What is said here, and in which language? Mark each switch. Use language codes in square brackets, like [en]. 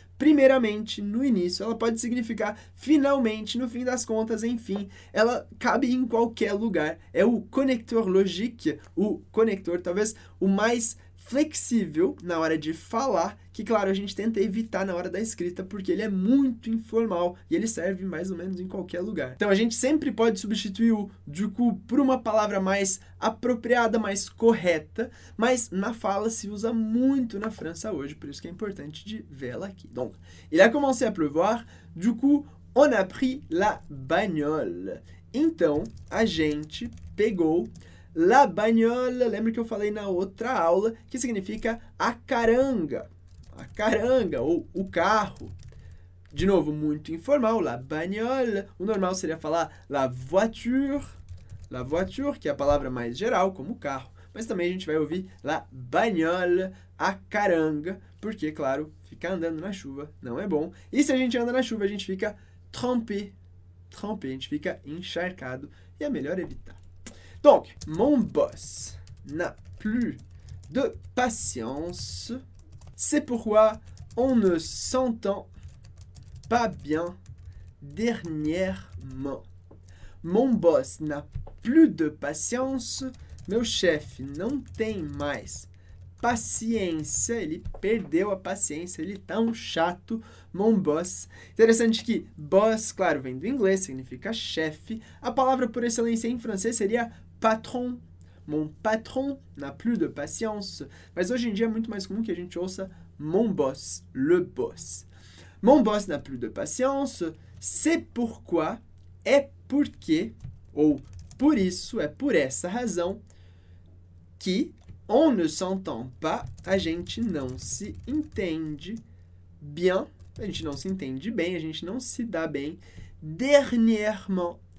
[pt] primeiramente no início, ela pode significar finalmente, no fim das contas, enfim, ela cabe em qualquer lugar, é o conector logique, o conector talvez o mais flexível na hora de falar, que claro, a gente tenta evitar na hora da escrita, porque ele é muito informal e ele serve mais ou menos em qualquer lugar. Então a gente sempre pode substituir o du coup por uma palavra mais apropriada, mais correta, mas na fala se usa muito na França hoje, por isso que é importante de vê-la aqui. [fr] Donc, il a commencé à pleuvoir, du coup, on a pris la bagnole. [pt] Então, a gente pegou [fr] la bagnole, [pt] lembra que eu falei na outra aula, que significa a caranga. A caranga, ou o carro. De novo, muito informal, [fr] la bagnole. [pt] O normal seria falar [fr] la voiture. La voiture, [pt] que é a palavra mais geral, como carro. Mas também a gente vai ouvir [fr] la bagnole, [pt] a caranga. Porque, claro, ficar andando na chuva não é bom. E se a gente anda na chuva, a gente fica trempé. Trempé, a gente fica encharcado. E é melhor evitar. [fr] Donc, mon boss n'a plus de patience. C'est pourquoi on ne s'entend pas bien dernièrement. Mon boss n'a plus de patience. [pt] Meu chefe não tem mais paciência. Ele perdeu a paciência. Ele tá um chato. [fr] Mon boss. [pt] Interessante que boss, claro, vem do inglês, significa chefe. A palavra por excelência em francês seria patron. [fr] Mon patron n'a plus de patience. [pt] Mas hoje em dia é muito mais comum que a gente ouça mon boss, le boss. [fr] Mon boss n'a plus de patience, c'est pourquoi, [pt] é porque, ou por isso, é por essa razão, que [fr] on ne s'entend pas, [pt] a gente não se entende bien, a gente não se entende bem, a gente não se dá bem, dernièrement.